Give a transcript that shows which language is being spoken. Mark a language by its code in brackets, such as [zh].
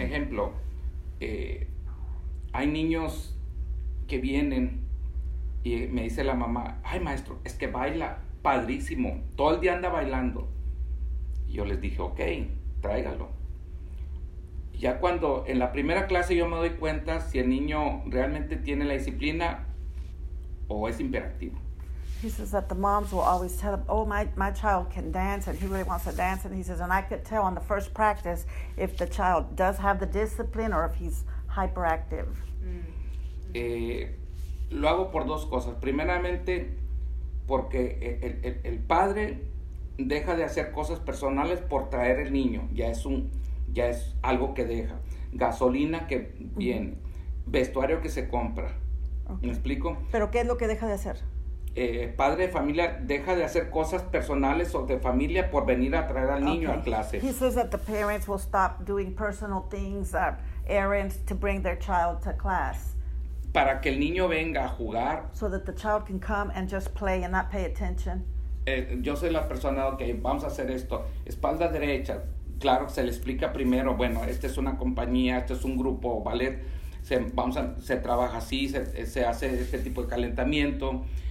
[es] Ejemplo, hay niños que vienen y me dice la mamá, ay maestro, es que baila padrísimo, todo el día anda bailando. Y yo les dije, ok, tráigalo. Ya cuando en la primera clase yo me doy cuenta si el niño realmente tiene la disciplina o es imperativo. [en] He says that the moms will always tell him, oh, my child can dance, and he really wants to dance. And he says, and I could tell on the first practice if the child does have the discipline or if he's hyperactive. [es] Mm-hmm. Lo hago por dos cosas. Primeramente, porque el padre deja de hacer cosas personales por traer el niño. Ya es algo que deja. Gasolina que viene. Mm-hmm. Vestuario que se compra. Okay. ¿Me explico? ¿Pero qué es lo que deja de hacer? Padre de familia deja de hacer cosas personales o de familia por venir a traer al niño [en] okay. [es] a clase. [en] He says that the parents will stop doing personal things, errands to bring their child to class. [es] Para que el niño venga a jugar. [en] So that the child can come and just play and not pay attention. [es] Yo soy la persona, okay, vamos a hacer esto. Espalda derecha, claro, se le explica primero, bueno, esta es una compañía, este es un grupo ballet, se trabaja así, se hace este tipo de calentamiento.